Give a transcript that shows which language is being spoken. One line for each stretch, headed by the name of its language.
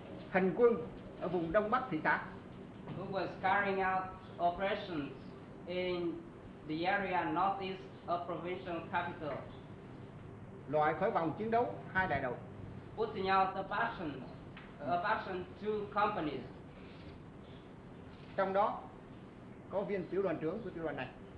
Vietnamese: Hành quân ở vùng Đông Bắc thị xã.
English: Who was carrying out operations in the area northeast of provincial capital.
Vietnamese: Loại khỏi vòng chiến đấu hai đại đội.
English: Putting out the faction two companies.
Vietnamese: Trong đó có viên tiểu đoàn trưởng của tiểu đoàn này.